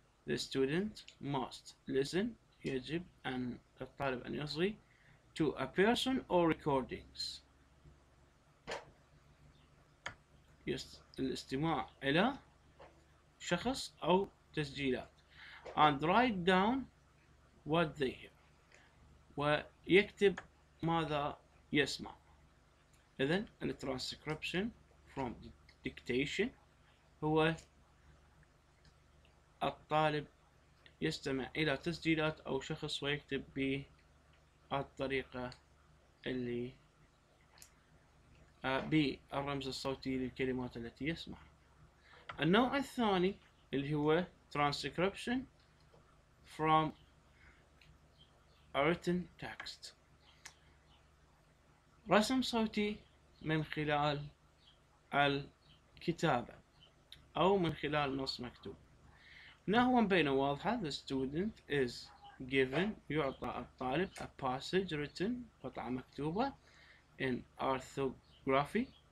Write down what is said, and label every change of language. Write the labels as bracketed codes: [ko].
[en] The student must listen. [ar] يجب أن الطالب أن يصغي [en] to a person or recordings. [ar] الاستماع إلى شخص أو تسجيلات. [en] And write down what they hear. [ar] ويكتب ماذا يسمع. إذن [en] the transcription from dictation [ar] هو الطالب يستمع إلى تسجيلات أو شخص ويكتب بالطريقة اللي بالرمز الصوتي للكلمات التي يسمع. النوع الثاني اللي هو [en] transcription from a written text، [ar] رسم صوتي من خلال الكتابة أو من خلال نص مكتوب. نهو بين واضحة. [en] The student is given، [ar] يعطى الطالب [en] a passage written، [ar] قطعة مكتوبة [en] in orthography